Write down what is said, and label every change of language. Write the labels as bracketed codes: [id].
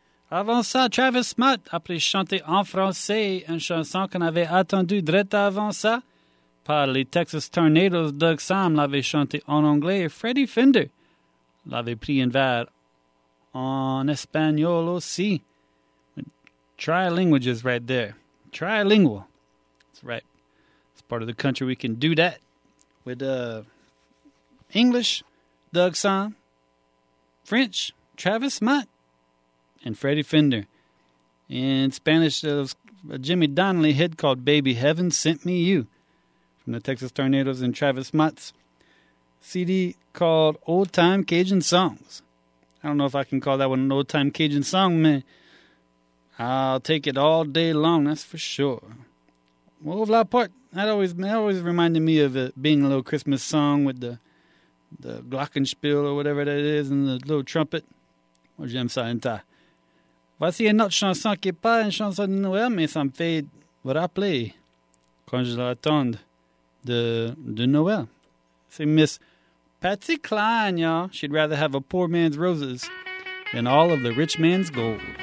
[fr] Avant ça, Travis Smart a chanté en français une chanson qu'on avait attendue direct avant ça par les Texas Tornadoes. Doug Sam l'avait chanté en anglais et Freddie Fender l'avait pris en vers en espagnol aussi. [en] Trilinguages right there. Trilingual. That's right. It's part of the country we can do that. With English, Doug Song. French, Travis Mutt and Freddie Fender. In Spanish, it was a Jimmy Donnelly hit called Baby Heaven Sent Me You from the Texas Tornadoes and Travis Mutt's CD called Old Time Cajun Songs. I don't know if I can call that one an old time Cajun song, man. I'll take it all day long, that's for sure. [fr] Au revoir, Port. [en] That always reminded me of it being a little Christmas song with the Glockenspiel or whatever that is and the little trumpet. [fr] Or j'aime ça en ta. Voici une autre chanson qui est pas une chanson de Noël, mais ça me fait rappeler quand je l'attends de Noël. C'est Miss Patsy Cline, [en] y'all. She'd rather have a poor man's roses than all of the rich man's gold.